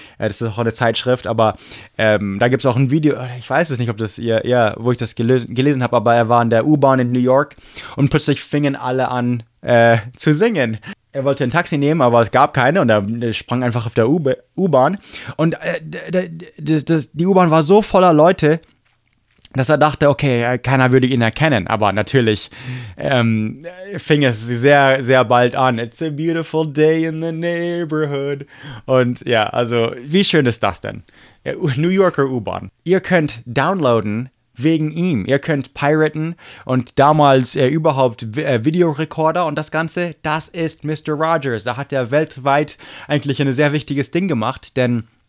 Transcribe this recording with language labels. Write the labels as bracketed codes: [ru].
[de] Das ist auch eine Zeitschrift, aber da gibt es auch ein Video, ich weiß es nicht, ob das wo ich das gelesen habe, aber er war in der U-Bahn in New York und plötzlich fingen alle an zu singen. Er wollte ein Taxi nehmen, aber es gab keine und er sprang einfach auf der U-Bahn. Und die U-Bahn war so voller Leute, dass er dachte, okay, keiner würde ihn erkennen, aber natürlich fing es sehr, sehr bald an. [en] It's a beautiful day in the neighborhood. [de] Und ja, also, wie schön ist das denn? New Yorker U-Bahn. Ihr könnt downloaden wegen ihm. Ihr könnt piraten und damals überhaupt Videorekorder und das Ganze, das ist Mr. Rogers. Da hat er weltweit eigentlich ein sehr wichtiges Ding gemacht, denn...